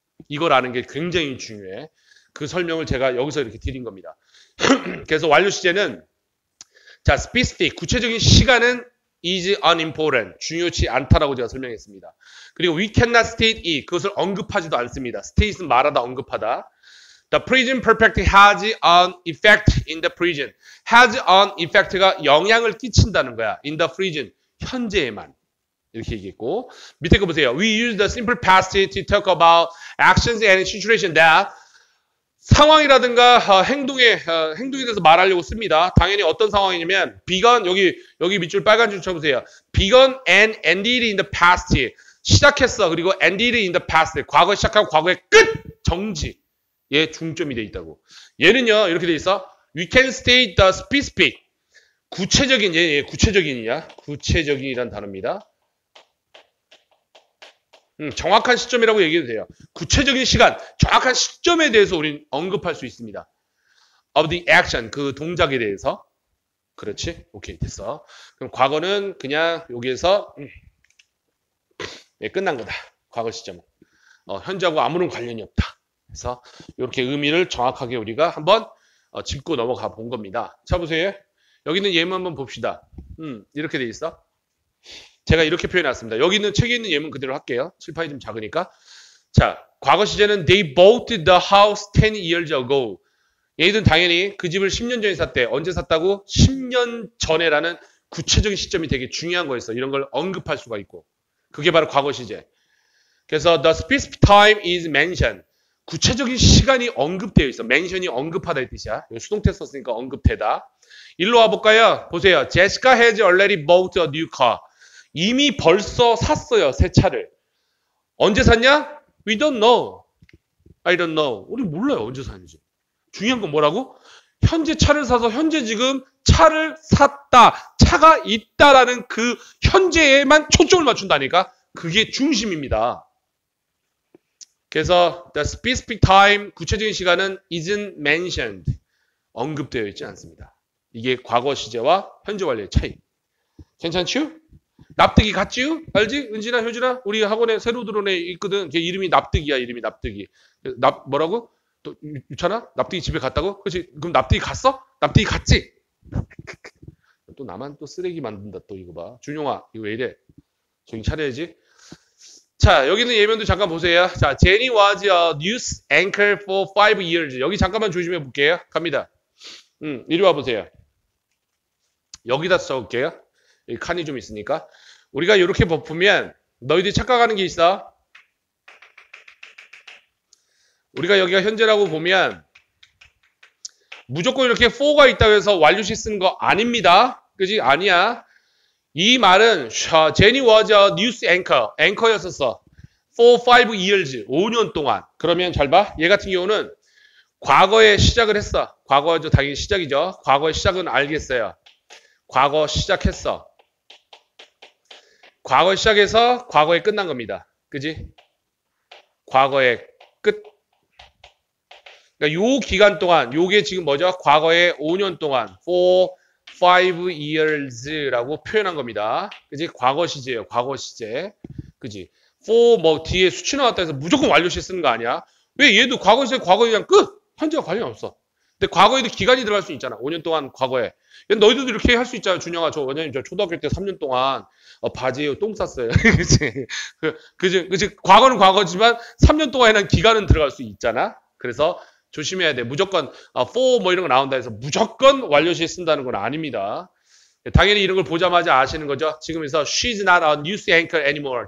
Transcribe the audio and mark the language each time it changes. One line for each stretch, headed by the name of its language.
Korean: 이걸 아는 게 굉장히 중요해. 그 설명을 제가 여기서 이렇게 드린 겁니다. 그래서 완료 시제는 자, specific, 구체적인 시간은
English: is unimportant,
Korean: 중요치 않다라고 제가 설명했습니다. 그리고
English: we cannot state it,
Korean: 그것을 언급하지도 않습니다. state는 말하다, 언급하다.
English: The present perfect has an effect in the present.
Korean: has an effect가 영향을 끼친다는 거야. in the present, 현재에만. 이렇게 얘기했고. 밑에 거 보세요.
English: we use the simple past to talk about actions and situations that
Korean: 상황이라든가 행동에 대해서 말하려고 씁니다. 당연히 어떤 상황이냐면 begun 여기 밑줄 빨간 줄 쳐보세요.
English: begun and ended in the past
Korean: 시작했어 그리고
English: ended in the past
Korean: 과거 시작하고 과거의 끝 정지 얘 중점이 돼 있다고. 얘는요 이렇게 돼 있어.
English: We can state the specific
Korean: 구체적인 얘 구체적인이야 구체적인이란 단어입니다. 정확한 시점이라고 얘기해도 돼요. 구체적인 시간, 정확한 시점에 대해서 우린 언급할 수 있습니다.
English: of the action,
Korean: 그 동작에 대해서. 그렇지? 오케이, 됐어. 그럼 과거는 그냥 여기에서, 예, 끝난 거다. 과거 시점은. 현재하고 아무런 관련이 없다. 그래서 이렇게 의미를 정확하게 우리가 한번 짚고 넘어가 본 겁니다. 자, 보세요. 여기 있는 예문 한번 봅시다. 이렇게 돼 있어. 제가 이렇게 표현해놨습니다. 여기 있는 책에 있는 예문 그대로 할게요. 칠판이 좀 작으니까. 자, 과거 시제는
English: they bought the house 10 years ago.
Korean: 얘들은 당연히 그 집을 10년 전에 샀대. 언제 샀다고? 10년 전에라는 구체적인 시점이 되게 중요한 거였어. 이런 걸 언급할 수가 있고. 그게 바로 과거 시제.
English: 그래서 the specific time is mentioned.
Korean: 구체적인 시간이 언급되어 있어. mention이 언급하다의 뜻이야. 수동태 썼으니까 언급되다. 일로 와볼까요? 보세요.
English: Jessica has already bought a new car.
Korean: 이미 벌써 샀어요, 새 차를. 언제 샀냐?
English: We don't know. I don't know.
Korean: 우리 몰라요, 언제 샀는지. 중요한 건 뭐라고? 현재 차를 사서, 현재 지금 차를 샀다. 차가 있다라는 그 현재에만 초점을 맞춘다니까? 그게 중심입니다. 그래서
English: the specific time
Korean: 구체적인 시간은
English: isn't mentioned
Korean: 언급되어 있지 않습니다. 이게 과거 시제와 현재 완료의 차이. 괜찮지요? 납득이 갔지요? 알지? 은진아, 효진아, 우리 학원에 새로 들어온 애 있거든. 걔 이름이 납득이야. 이름이 납득이. 납 뭐라고? 또 유찬아, 납득이 집에 갔다고? 그렇지. 그럼 납득이 갔어? 납득이 갔지. 또 나만 또 쓰레기 만든다. 또 이거 봐. 준용아, 이거 왜 이래? 정신 차려야지. 자, 여기 있는 예면도 잠깐 보세요.
English: 자, Jenny was a news anchor for 5 years.
Korean: 여기 잠깐만 조심해 볼게요. 갑니다. 이리 와 보세요. 여기다 써볼게요. 이 칸이 좀 있으니까. 우리가 이렇게 덮으면 너희들이 착각하는 게 있어. 우리가 여기가 현재라고 보면 무조건 이렇게 for가 있다고 해서 완료시 쓰는 거 아닙니다. 그지? 아니야. 이 말은
English: 제니 was a news anchor.
Korean: 앵커였었어.
English: For 5 years.
Korean: 5년 동안. 그러면 잘 봐. 얘 같은 경우는 과거에 시작을 했어. 과거죠. 당연히 시작이죠. 과거의 시작은 알겠어요. 과거 시작했어. 과거 시작해서 과거에 끝난 겁니다. 그지? 과거의 끝. 그러니까 요 기간 동안, 요게 지금 뭐죠? 과거의 5년 동안.
English: For 5 years
Korean: 라고 표현한 겁니다. 그지? 과거 시제예요. 과거 시제. 그지? For 뭐 뒤에 수치 나왔다 해서 무조건 완료 시 쓰는 거 아니야? 왜 얘도 과거 시제, 과거 그냥 끝! 현재와 관련이 없어. 근데 과거에도 기간이 들어갈 수 있잖아. 5년 동안 과거에. 너희들도 이렇게 할 수 있잖아. 준영아, 저 원장님, 저 초등학교 때 3년 동안 바지에 똥 쌌어요. 그치? 그치? 과거는 과거지만 3년 동안에는 기간은 들어갈 수 있잖아. 그래서 조심해야 돼. 무조건 for 뭐 이런 거 나온다 해서 무조건 완료시 쓴다는 건 아닙니다. 당연히 이런 걸 보자마자 아시는 거죠.
English: 지금에서 she's not a news anchor anymore.